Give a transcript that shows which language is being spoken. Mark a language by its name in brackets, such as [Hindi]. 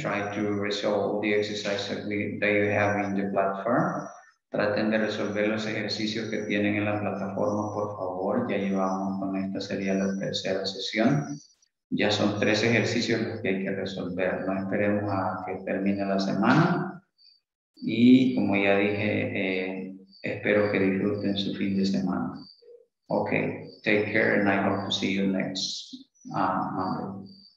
[English] Try to resolve the exercises that you have in the platform. [Spanish] Traten de resolver los ejercicios que tienen en la plataforma, por favor. Ya llevamos con esta, sería la tercera sesión. Ya son 3 ejercicios que hay que resolver. No esperemos a que termine la semana. Y como ya dije, espero que disfruten su fin de semana. [English] Okay, take care and I hope to see you next Monday.